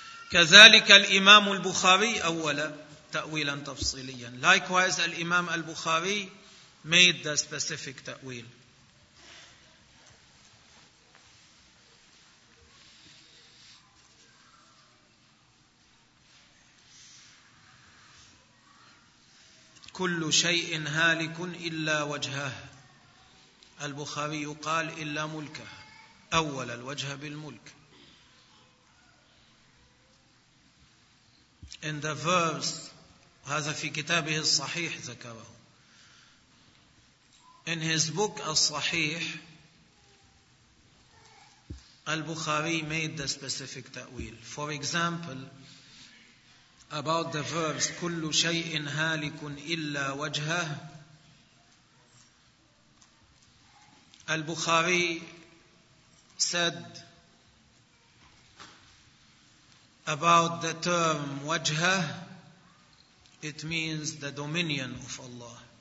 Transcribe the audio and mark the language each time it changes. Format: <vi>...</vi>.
<ar>كذلك الإمام البخاري أولا تأويلا تفصيليا.</ar> <en>Likewise, الإمام البخاري made the specific تأويل.</en> <ar>كل شيء هالك إلا وجهه. البخاري قال إلا ملكه. أول الوجه بالملك.</ar> <en>In the verse,</en> <ar>هذا في كتابه الصحيح ذكره.</ar> <en>In his book الصحيح, البخاري made the specific تأويل. For example, about the verse,</en> <ar>كل شيء هالك إلا وجهه,</ar> <en>البخاري said, about the term wajha, it means the dominion of Allah.</en>